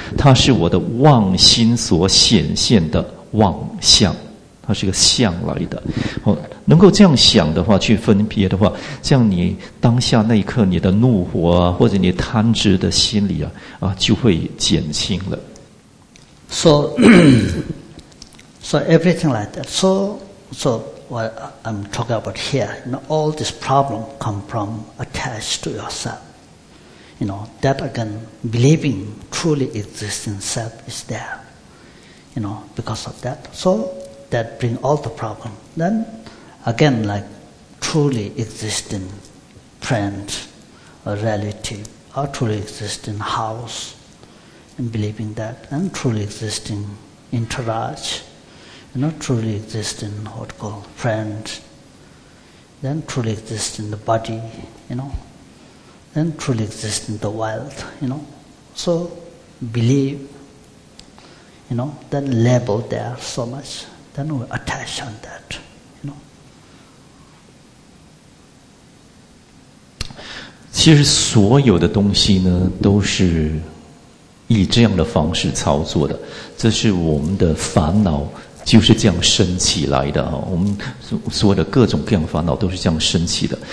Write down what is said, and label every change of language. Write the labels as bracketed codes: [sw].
[zh] 它是我的妄心所显现的妄相，它是个相来的。哦，能够这样想的话，去分别的话，这样你当下那一刻你的怒火啊，或者你贪执的心理啊，就会减轻了。 [en] So everything like that. So what I'm talking about here, you know, all this problem come from attached to yourself. You know, that again, believing truly exists in self is there. You know, because of that. So that bring all the problem. Then again, like truly existing friend, a relative, or truly existing house,and believing that, and truly existing entourage, you know, truly existing what we call friend, then truly existing the body, you know, then truly existing the wealth, you know. So, believe, you know, then label there so much, then we attach on that, you know. [zh] 其实所有的东西呢都是以这样的方式操作的，这是我们的烦恼就是这样升起来的。我们所有的各种各样烦恼都是这样升起的。